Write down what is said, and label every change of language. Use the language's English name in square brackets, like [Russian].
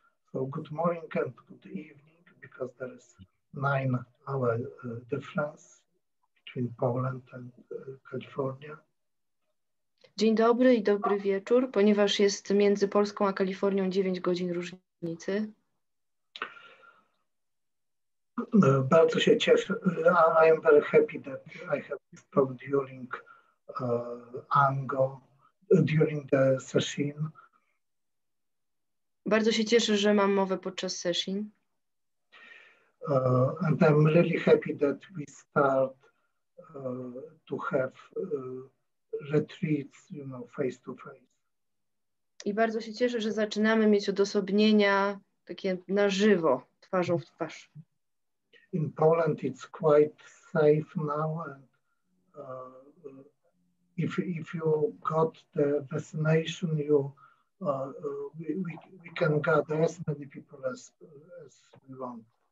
[English] So good morning and good evening, because there is 9 hour difference between Poland and California. [Polish] Dzień dobry i dobry wieczór, ponieważ jest między Polską a Kalifornią 9 godzin różnicy. Bardzo się cieszę. [English] I am very happy that I have spoken during ANGO, during the session. [Polish] Bardzo się cieszę, że mam mowę podczas session. [English] And I'm really happy that we start to have retreats, you know, face to face. [Polish] I bardzo się cieszę, że zaczynamy mieć odosobnienia takie na żywo, twarzą w twarz. [English] In Poland it's quite safe now, and if you got the vaccination, you we can gather as many people as we want.